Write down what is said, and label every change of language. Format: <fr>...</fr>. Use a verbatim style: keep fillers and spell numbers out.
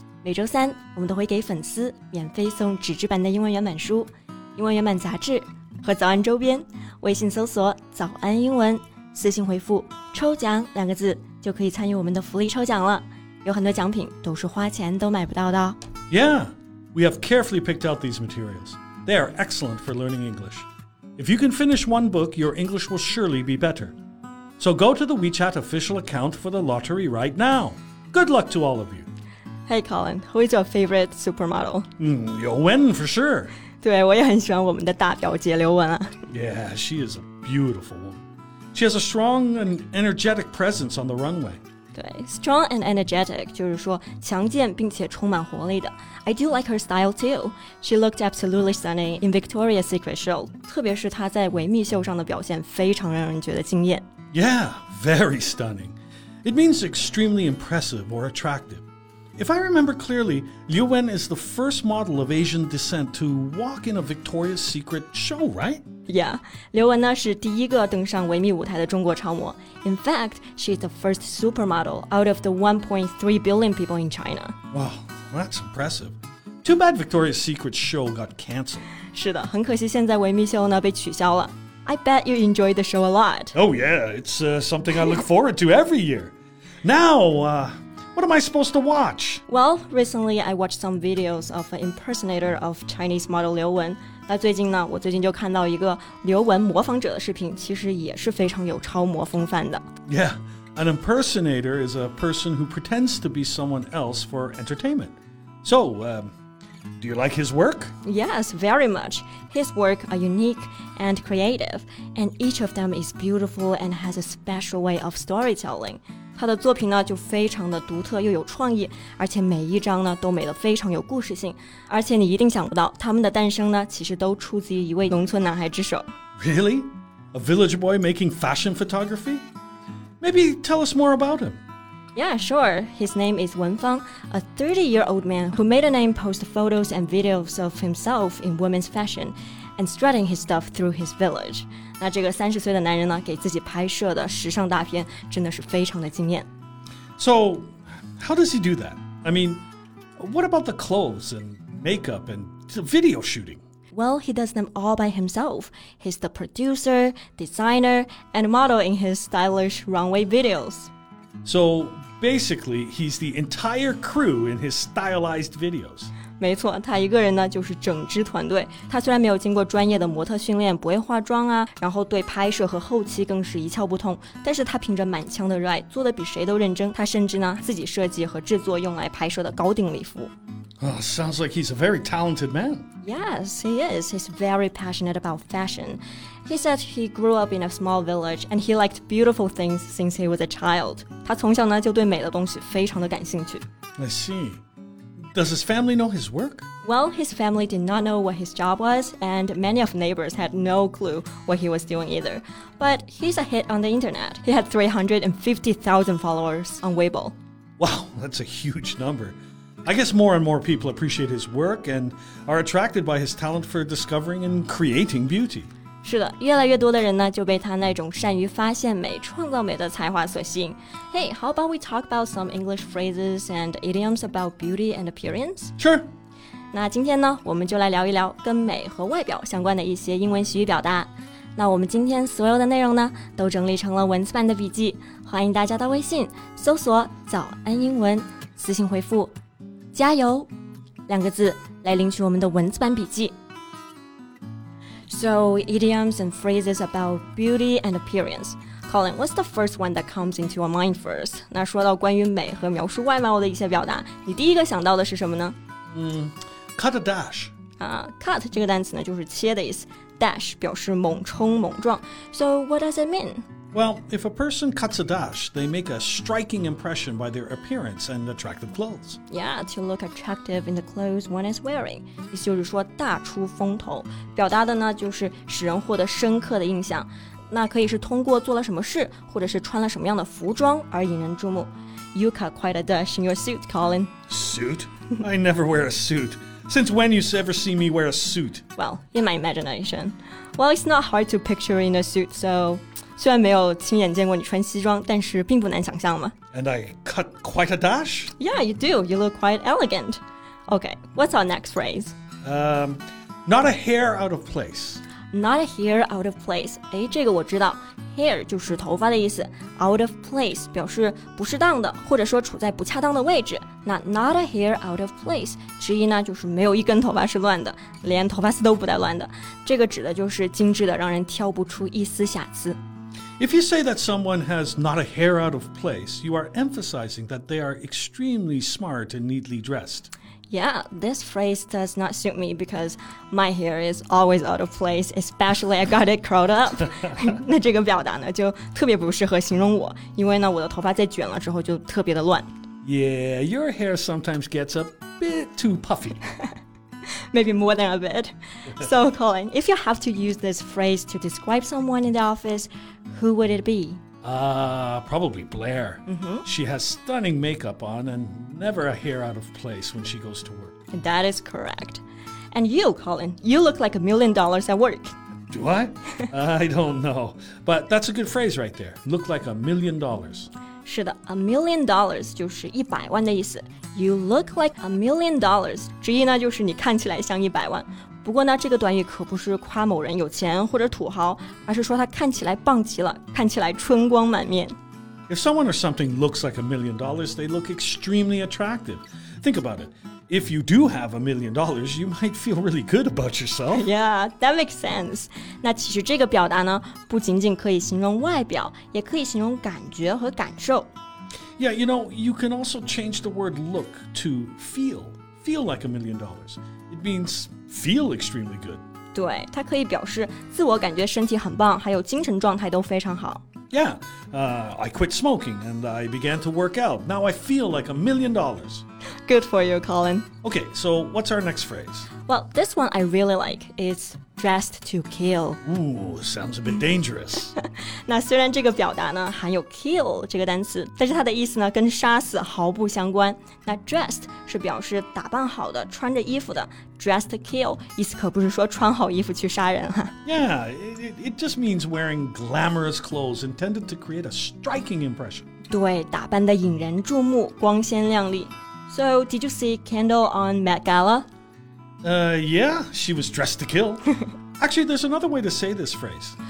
<zh>每周三，我们都会给粉丝免费送纸质版的英文原版书、英文原版杂志和早安周边。微信搜索“早安英文”，私信回复“抽奖”两个字，就可以参与我们的福利抽奖了。有很多奖品都是花钱都买不到的哦。</zh> <en>Yeah, we have carefully picked out these materials. They are excellent for learning English. If you can finish one book, your English will surely be better. So go to the WeChat official account for the lottery right now. Good luck to all of you. Hey Colin, who is your favorite supermodel? Mm, You'll win for sure.</en> <zh>对，我也很喜欢我们的大表姐刘雯啊。</zh> <en>Yeah, she is a beautiful woman. She has a strong and energetic presence on the runway.</en> <zh>对</zh> <en>strong and energetic</en> <zh>就是说强健并且充满活力的</zh> <en>I do like her style too. She looked absolutely stunning in Victoria's Secret show.</en> <zh>特别是她在维密秀上的表现非常让人觉得惊艳</zh> <en>Yeah, very stunning. It means extremely impressive or attractive. If I remember clearly, Liu Wen is the first model of Asian descent to walk in a Victoria's Secret show, right? Yeah,</en> <zh>刘雯呢是第一个登上维密舞台的中国超模</zh> <en>In fact, she's the first supermodel out of the one point three billion people in China. Wow, that's impressive. Too bad Victoria's Secret show got canceled.</en> <zh>是的，很可惜现在维密秀呢被取消了</zh> <en>I bet you enjoyed the show a lot. Oh yeah, it's、uh, something I look forward to every year. Now, uh, what am I supposed to watch? Well, recently I watched some videos of an impersonator of Chinese model</en> <zh>刘雯那最近呢，我最近就看到一个刘雯模仿者的视频，其实也是非常有超模风范的。</zh> <en>Yeah, an impersonator is a person who pretends to be someone else for entertainment. So, um, do you like his work? Yes, very much. His work are unique and creative, and each of them is beautiful and has a special way of storytelling.</en> <zh>他的作品呢就非常的独特又有创意而且每一张呢都美得非常有故事性而且你一定想不到他们的诞生呢其实都出自于一位农村男孩之手</zh> <en>Really? A village boy making fashion photography? Maybe tell us more about him. Yeah, sure. His name is Wen Fang, a thirty-year-old man who made a name post photos and videos of himself in women's fashion and strutting his stuff through his village.</en> <zh>那这个三十岁的男人呢，给自己拍摄的时尚大片真的是非常的惊艳。</zh> <en>So, how does he do that? I mean, what about the clothes and makeup and video shooting? Well, he does them all by himself. He's the producer, designer, and model in his stylish runway videos. So, basically, he's the entire crew in his stylized videos.</en> <zh>没错，他一个人呢就是整支团队。他虽然没有经过专业的模特训练，不会化妆啊，然后对拍摄和后期更是一窍不通，但是他凭着满腔的热爱，做得比谁都认真。他甚至呢自己设计和制作用来拍摄的高定礼服。</zh> <en>Oh, sounds like he's a very talented man. Yes, he is. He's very passionate about fashion. He said he grew up in a small village and he liked beautiful things since he was a child.</en> <zh>他从小呢就对美的东西非常的感兴趣。</zh> <en>I see. Does his family know his work? Well, his family did not know what his job was, and many of neighbors had no clue what he was doing either. But he's a hit on the internet. He had three hundred fifty thousand followers on Weibo. Wow, that's a huge number. I guess more and more people appreciate his work and are attracted by his talent for discovering and creating beauty.</en> <zh>是的，越来越多的人呢就被他那种善于发现美、创造美的才华所吸引。</zh> <en>Hey, how about we talk about some English phrases and idioms about beauty and appearance? Sure.</en> <zh>那今天呢，我们就来聊一聊跟美和外表相关的一些英文习语表达。那我们今天所有的内容呢，都整理成了文字版的笔记，欢迎大家到微信搜索“早安英文”，私信回复“加油”两个字来领取我们的文字版笔记。</zh> <en>So, idioms and phrases about beauty and appearance. Colin, what's the first one that comes into your mind first?</en> <zh>那说到关于美和描述外貌的一些表达，你第一个想到的是什么呢？</zh> <en>嗯 ，cut a dash.</en> <zh>啊 ，cut 这个单词呢就是切的意思 ，dash 表示猛冲猛撞。</zh> <en>So, what does it mean? Well, if a person cuts a dash, they make a striking impression by their appearance and attractive clothes. Yeah, to look attractive in the clothes one is wearing.</en> <zh>意思就是说大出风头，表达的呢就是使人获得深刻的印象。那可以是通过做了什么事，或者是穿了什么样的服装而引人注目。</zh> <en>You cut quite a dash in your suit, Colin. Suit? I never wear a suit. Since when you ever see me wear a suit? Well, in my imagination. Well, it's not hard to picture in a suit, so...</en> <zh>虽然没有亲眼见过你穿西装，但是并不难想象嘛。</zh> <en>And I cut quite a dash? Yeah, you do. You look quite elegant. Okay, what's our next phrase? Um, not a hair out of place. Not a hair out of place.</en> <zh>哎，这个我知道 ，hair 就是头发的意思 ，out of place 表示不适当的，或者说处在不恰当的位置。那 not a hair out of place 直译呢就是没有一根头发是乱的，连头发丝都不带乱的。这个指的就是精致的，让人挑不出一丝瑕疵。</zh> <en>If you say that someone has not a hair out of place, you are emphasizing that they are extremely smart and neatly dressed. Yeah, this phrase does not suit me because my hair is always out of place, especially I got it curled up.</en> <zh>那这个表达呢，就特别不适合形容我，因为呢，我的头发在卷了之后就特别的乱。</zh> <en>Yeah, your hair sometimes gets a bit too puffy. Maybe more than a bit. So, Colin, if you have to use this phrase to describe someone in the office, who would it be? Uh, probably Blair. Mm-hmm. She has stunning makeup on and never a hair out of place when she goes to work. That is correct. And you, Colin, you look like a million dollars at work. Do I? I don't know. But that's a good phrase right there. Look like a million dollars.</en> <zh>是的 ,a million dollars 就是一百万的意思。</zh> <en>You look like a million dollars.</en> <zh>直译呢就是你看起来像一百万。不过呢，这个短语可不是夸某人有钱或者土豪，而是说他看起来棒极了，看起来春光满面。</zh> <en>If someone or something looks like a million dollars, they look extremely attractive. Think about it. If you do have a million dollars, you might feel really good about yourself. Yeah, that makes sense.</en> <zh>那其实这个表达呢，不仅仅可以形容外表，也可以形容感觉和感受。</zh> <en>Yeah, you know, you can also change the word look to feel. Feel like a million dollars. It means... Feel extremely good.</en> <zh>对，它可以表示自我感觉身体很棒，还有精神状态都非常好。</zh> <en>Yeah, uh, I quit smoking and I began to work out. Now I feel like a million dollars. Good for you, Colin. Okay, so what's our next phrase? Well, this one I really like. It's dressed to kill. Ooh, sounds a bit dangerous.</en> <zh>那虽然这个表达呢含有 kill 这个单词，但是它的意思呢跟杀死毫不相关。那 dressed 是表示打扮好的，穿着衣服的。 Dressed to kill 意思可不是说穿好衣服去杀人哈。</zh> <en>Yeah, it, it just means wearing glamorous clothes intended to create a striking impression.</en> <zh>对，打扮得引人注目，光鲜亮丽。</zh> <en>So, did you see Kendall on Met Gala? Uh, yeah, she was dressed to kill. Actually, there's another way to say this phrase.</en>